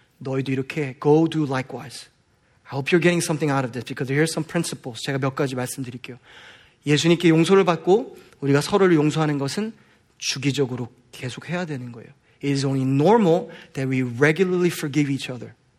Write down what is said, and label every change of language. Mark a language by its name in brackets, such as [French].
[Korean] 너희도 이렇게 [English] go do likewise. I hope you're getting something out of this because here's some principles. [Korean] 제가 몇 가지 말씀드릴게요. 예수님께 용서를 받고 우리가 서로를 용서하는 것은 주기적으로 계속해야 되는 거예요. [English] It is only normal that we regularly forgive each other.